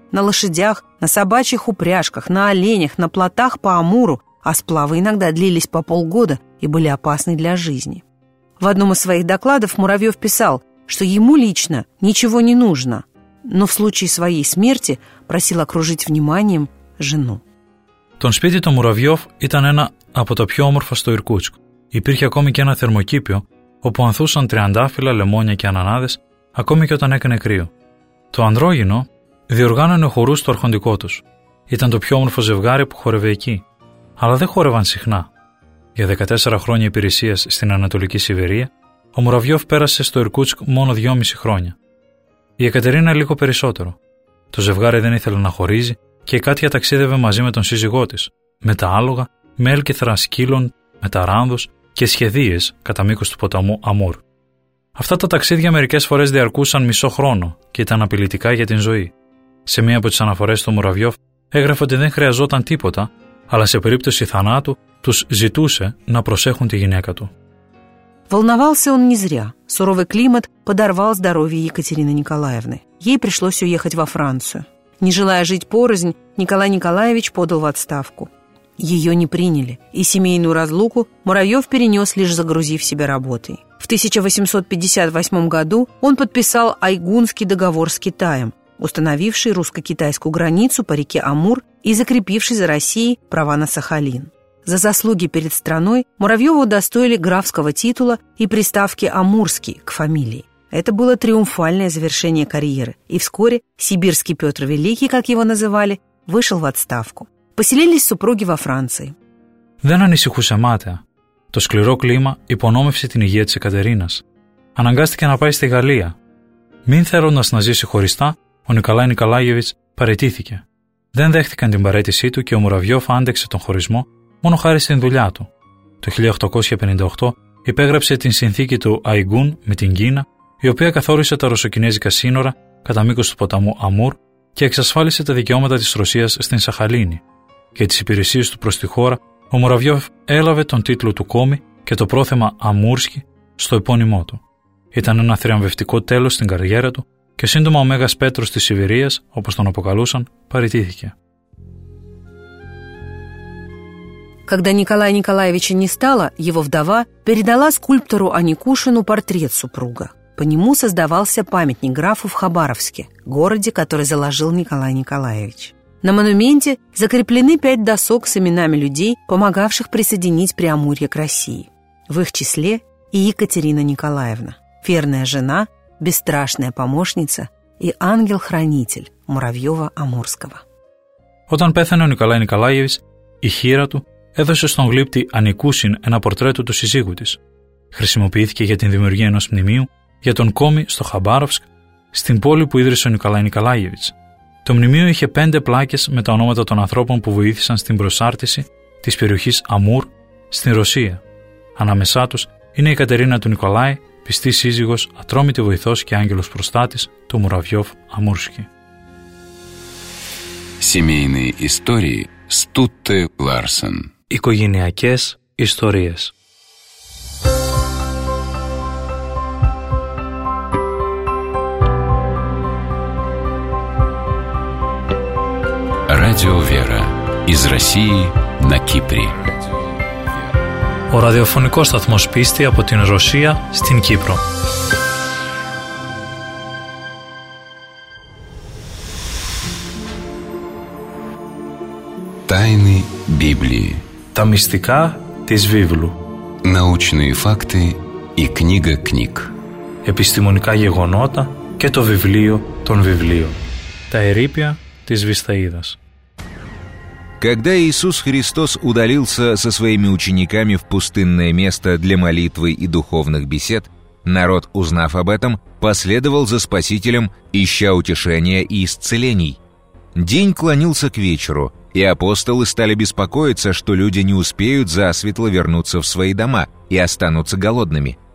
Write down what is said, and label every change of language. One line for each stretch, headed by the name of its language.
Russian: На лошадях, на собачьих упряжках, на оленях, на плотах по Амуру, а сплавы иногда длились по полгода и были опасны для жизни. В одном из своих докладов Муравьев писал, что ему лично ничего не нужно, но в случае своей смерти просил окружить вниманием жену.
Greek: То σπίτι του Муравьев ήταν ένα από τα πιο όμορφα στο Ιρκούτσκ. Υπήρχε ακόμη και ένα θερμοκήπιο, όπου ανθούσαν τριαντάφυλλα, λεμόνια και ανανάδες, ακόμη και όταν έκανε κρύο. Το ανδρόγυνο διοργάνωνε χορούς στο αρχοντικό τους. Ήταν το πιο όμορφο ζευγάρι που χόρευε εκεί. Αλλά δεν χόρευαν συχνά. Για 14 χρόνια υπηρεσίας στην Ανατολική Σιβηρία, ο Μουραβιόφ πέρασε στο Ιρκούτσκ μόνο 2,5 χρόνια. Η Εκατερίνα λίγο περισσότερο. Το ζευγάρι δεν ήθελε να χωρίζει και η Κάτια ταξίδευε μαζί με τον σύζυγό της, με τα άλογα, με έλκυθρα σκύλων, με ταράνδους και σχεδίες κατά μήκος του ποταμού Αμούρ. Αυτά τα ταξίδια μερικές φορές διαρκούσαν μισό χρόνο και ήταν απειλητικά για την ζωή. Σε μία από τις αναφορές του Μουραβιόφ έγραφε ότι δεν χρειαζόταν τίποτα, αλλά σε περίπτωση θανάτου τους ζητούσε να προσέχουν τη γυναίκα του.
Russian: Волновался он не зря. Суровый климат подорвал здоровье Екатерины Николаевны. Ей пришлось уехать во Францию. Не желая жить порознь, Николай Николаевич подал в отставку. Ее не приняли, и семейную разлуку Муравьев перенес, лишь загрузив себя работой. В 1858 году он подписал Айгунский договор с Китаем, установивший русско-китайскую границу по реке Амур и закрепивший за Россией права на Сахалин. За заслуги перед страной Муравьеву удостоили графского титула и приставки «Амурский» к фамилии. Это было триумфальное завершение карьеры, и вскоре «Сибирский Петр Великий», как его называли, вышел в отставку. Поселились супруги во Франции.
Greek: Δεν ανησυχούσε μάταια. Το σκληρό κλίμα υπονόμευσε την υγεία της Εκατερίνας. Αναγκάστηκε να πάει στη Γαλλία. Μην θέλοντας να ζήσει χωριστά, ο Νικολάι Νικολάγεβιτς παραιτήθηκε. Δεν δέχτηκαν την παραίτησή του και ο Μουραβιόφ άντεξε τον χωρισμό μόνο χάρη στην δουλειά του. Το 1858 υπέγραψε την συνθήκη του Αϊγκούν με την Κίνα, η οποία καθόρισε τα ρωσοκινέζικα σύνορα κατά μήκος του ποταμού Αμούρ και εξασφάλισε τα δικαιώματα της Ρωσίας στην Σαχαλίνη. Για τις υπηρεσίες του προς τη χώρα, ο Μουραβιόφ έλαβε τον τίτλο του Κόμι και το πρόθεμα Αμούρσκι στο επώνυμό του. Ήταν ένα θριαμβευτικό τέλος στην καριέρα του και σύντομα ο Μέγας Πέτρος της Σιβηρίας, όπως τον αποκαλούσαν, παραιτήθηκε.
Russian: Когда Николая Николаевича не стало, его вдова передала скульптору Аникушину портрет супруга. По нему создавался памятник графу в Хабаровске, городе, который заложил Николай Николаевич. На монументе закреплены 5 досок с именами людей, помогавших присоединить Приамурье к России. В их числе и Екатерина Николаевна, верная жена, бесстрашная помощница и ангел-хранитель Муравьева-Амурского.
Greek: Όταν πέθανε ο Николай Николаевич, η χείρα του έδωσε στον γλύπτη Ανικούσιν ένα πορτρέτο του συζύγου της. Χρησιμοποιήθηκε για την δημιουργία ενός μνημείου για τον Κόμι στο Χαμπάροφσκ, στην πόλη που ίδρυσε ο Νικολάι Νικολάγεβιτς. Το μνημείο είχε 5 πλάκες με τα ονόματα των ανθρώπων που βοήθησαν στην προσάρτηση της περιοχής Αμούρ στην Ρωσία. Ανάμεσά τους είναι η Κατερίνα του Νικολάη, πιστή σύζυγος, ατρόμητη βοηθός και άγγελος προστάτης του Μουραβιόφ Αμούρσκι.
Russian: Семейные истории Στούτε Λάρσεν.
Greek: Οικογενειακές ιστορίες.
Russian: Радио Вера. Из России на Кипре.
Greek: Ο ραδιοφωνικός σταθμός πίστη από την Ρωσία στην Κύπρο.
Russian: Тайны Библии.
Greek: Та мистика тез Библу.
Russian: Научные факты и книга книг.
Greek: Επιστημονικά γεγονότα και το βιβλίο των βιβλίων. Τα ερείπια της Βυσταΐδας.
Russian: Когда Иисус Христос удалился со своими учениками в пустынное место для молитвы и духовных бесед, народ, узнав об этом, последовал за Спасителем, ища утешения и исцелений. День клонился к вечеру, и апостолы стали беспокоиться, что люди не успеют засветло вернуться в свои дома и останутся голодными.